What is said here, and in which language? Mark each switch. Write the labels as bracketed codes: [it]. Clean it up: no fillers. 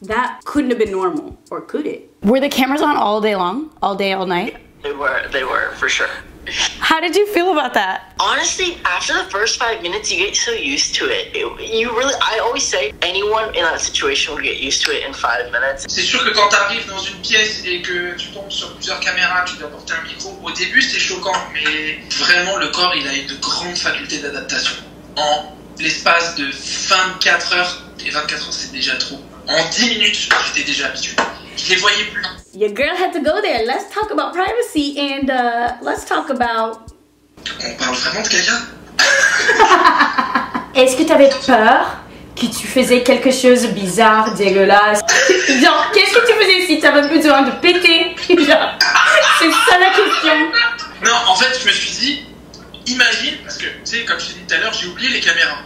[en] That couldn't have been normal, or could it? Were the cameras on all day long? All day, all night? They were, for sure. How did you feel about that? Honestly, after the first 5 minutes, you get so used to it. I always say anyone in that situation will get used to it in 5 minutes. [fr] C'est sûr que quand t'arrives dans une pièce et que tu tombes sur plusieurs caméras, tu dois porter un micro. Au début, c'est choquant, mais vraiment, le corps, il a une grande faculté d'adaptation. En l'espace de 24 heures, et 24 heures, c'est déjà trop. En 10 minutes, j'étais déjà habitué. Je les voyais plus. [en] Your girl had to go there. Let's talk about privacy and let's talk about... [fr] On parle vraiment de quelqu'un? Est-ce que t'avais peur que tu faisais quelque chose de bizarre, dégueulasse? Genre, qu'est-ce que tu faisais si t'avais besoin de péter? C'est ça la question. Non, en fait, je me suis dit, imagine, parce que, tu sais, comme je t'ai dit tout à l'heure, j'ai oublié les caméras.